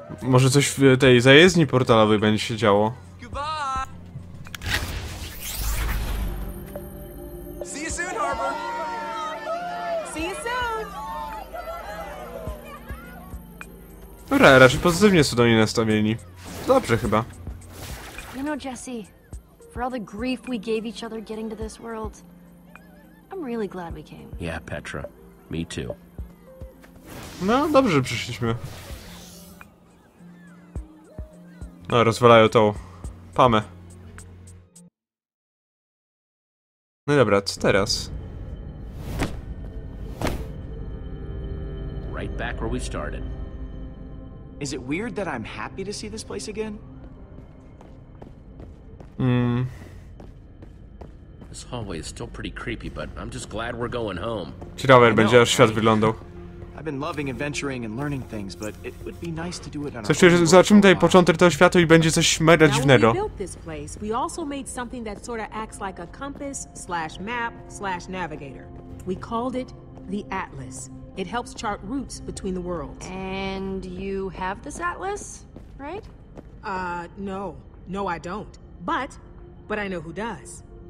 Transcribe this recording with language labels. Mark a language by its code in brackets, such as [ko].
[pl] Może coś w tej zajezdni portalowej będzie się działo. [en] See you soon, Harper. See you soon. [pl] Dobra, raczej pozytywnie są do niej nastawieni. Dobrze chyba. [en] You know, Jesse, for all the grief we gave each other getting to this world, I'm really glad we came. Yeah, Petra. Me too. [pl] No, dobrze, przyszliśmy. No, rozwalają tą Pamę. No dobra, co teraz? [en] Right back where we started. Is it weird that I'm happy to see this place again? This hallway is still pretty creepy, but I'm just glad we're going home. [pl] Ciekawe, będzie aż świat wyglądał. [en] I've been loving adventuring and learning things, but it would be nice to do it on our own. [pl] Coś, zobaczymy tutaj początek tego świata i będzie coś mega dziwnego. [en] We built this place. We also made something that sort of acts like a compass slash map slash navigator. We called it the Atlas. It helps chart routes between the worlds. And you have this Atlas, right? No, I don't. But I know who does.